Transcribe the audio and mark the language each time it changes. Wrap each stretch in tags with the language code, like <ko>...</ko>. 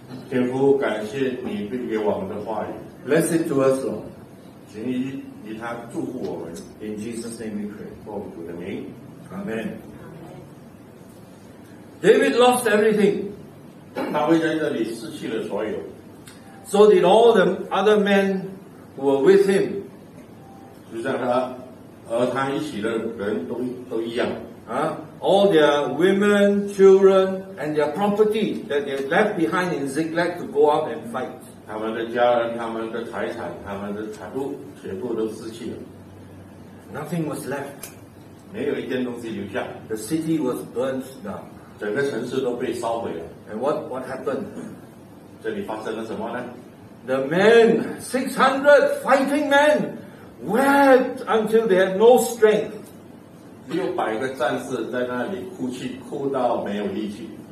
<zh>天父，感谢你给我们的话语。</zh> <en>Bless it to us, Lord.</en> <zh>请以他祝福我们。</zh> <en>In Jesus' name we pray.</en> <zh>奉主的名。</zh> <en>Amen. David lost everything.</en> <zh>大卫在这里失去了所有。</zh> <en>So did all the other men who were with him.</en> <zh>就像他和他一起的人都一样</zh> <en>啊 ，all their women, children, and their property that they left behind in Ziklag to go out and fight。</en> <zh>他们的家人、他们的财产、他们的财物，全部都失去了。</zh> <en>Nothing was left.</en> <zh>没有一件东西留下。</zh> <en>The city was burnt down.</en> <zh>整个城市都被烧毁了。</zh> <en>And what happened?</en> <zh>这里发生了什么呢？</zh> <en>The men, 600 fighting men, wept until they had no strength.</en> <zh>600个战士在那里哭泣，哭到没有力气。</zh>